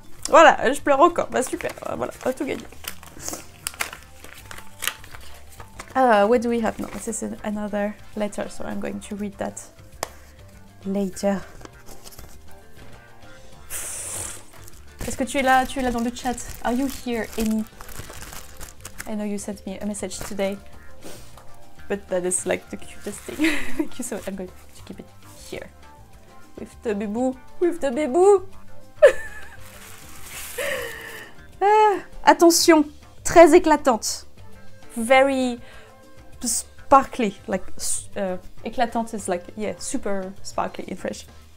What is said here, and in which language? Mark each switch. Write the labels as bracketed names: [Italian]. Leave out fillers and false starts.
[French] Voilà, je pleure encore, bah super, voilà, on a tout gagné. [English] What do we have now? This is another letter, so I'm going to read that later. [French] Est-ce que tu es là dans le chat? [English] Are you here, Amy? I know you sent me a message today, but that is like the cutest thing. Thank you so much. I'm going to keep it here. With the bibou, with the bibou! [French] Attention, très éclatante, [English] very sparkly, like éclatante is like, yeah, super sparkly in French.